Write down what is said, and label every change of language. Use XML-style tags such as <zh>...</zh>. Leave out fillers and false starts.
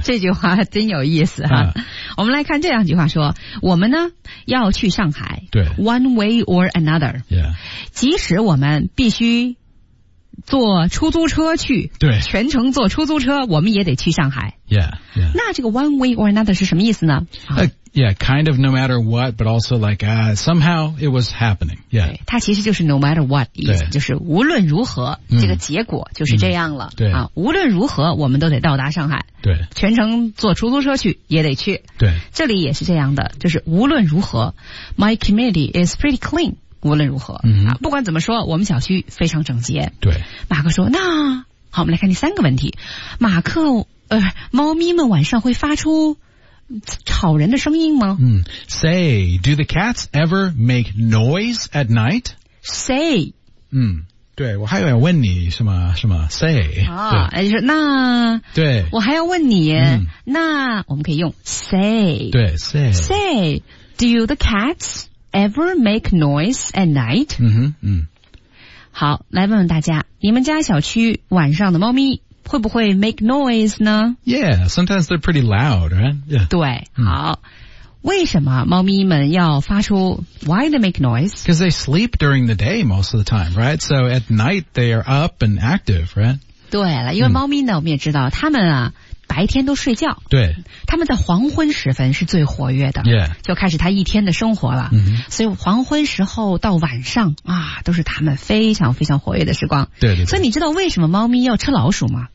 <zh>这句话真有意思、啊 我们来看这两句话说我们呢要去上海对</zh> <en>one way or another、 yeah.</en> <zh>即使我们必须坐出租车去对全程坐出租车我们也得去上海</zh> <en>yeah, yeah.</en> <zh>那这个 one way or another 是什么意思呢、</zh> <en>yeah, kind of no matter what, but also like, somehow it was happening. Yeah.</en> <zh>它其实就是</zh> <en>no matter what</en> <zh>意思就是无论如何、嗯、这个结果就是这样了。嗯、对。啊无论如何我们都得到达上海。对。全程坐出租车去也得去。对。这里也是这样的就是无论如何 ,</zh> <en>my community is pretty clean,</en> <zh>无论如何。嗯、啊不管怎么说我们小区非常整洁。对。马克说那好我们来看第三个问题。马克猫咪们晚上会发出吵人的声音吗、 mm.</zh> <en>Say, do the cats ever make noise at night? Say、</en> <zh>mm. 对，我还要问你什么什么 say 啊？你说那对，我还要问你，那我们可以用 say 对 say</zh> <en>say do the cats ever make noise at night？嗯哼嗯，</en> <zh>好，来问问大家，你们家小区晚上的猫咪会不会 make noise 呢</zh> <en>？Yeah, sometimes they're pretty loud, right? Yeah.</en> <zh>对，好。为什么猫咪们要发出</zh> <en>Why they make noise? Because they sleep during the day most of the time, right? So at night they are up and active, right?</en> <zh>对了，因为猫咪呢，我们也知道它们啊白天都睡觉，对，它们在黄昏时分是最活跃的，</zh> <en>yeah.</en> <zh>就开始它一天的生活了。</zh> <en>Mm-hmm.</en> <zh>所以黄昏时候到晚上啊，都是它们非常非常活跃的时光。对， 对， 对。所以你知道为什么猫咪要吃老鼠吗？</zh>